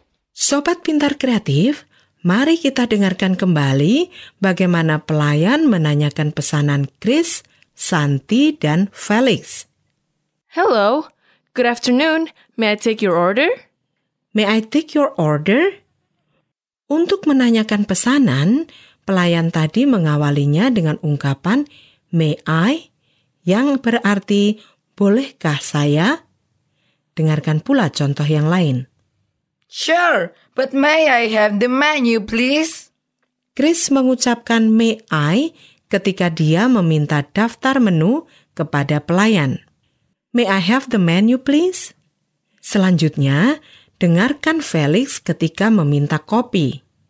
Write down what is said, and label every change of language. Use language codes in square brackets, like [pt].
[id] Sobat Pintar Kreatif, mari kita dengarkan kembali bagaimana pelayan menanyakan pesanan Chris, Santi, dan Felix. [en] Hello, good afternoon, may I take your order? May I take your order? [id] Untuk menanyakan pesanan, pelayan tadi mengawalinya dengan ungkapan May I, yang berarti, bolehkah saya? Dengarkan pula contoh yang lain. [en] Sure, but may I have the menu, please? [id] Chris mengucapkan may I ketika dia meminta daftar menu kepada pelayan. [en] May I have the menu, please? [id] Selanjutnya, dengarkan Felix ketika meminta kopi.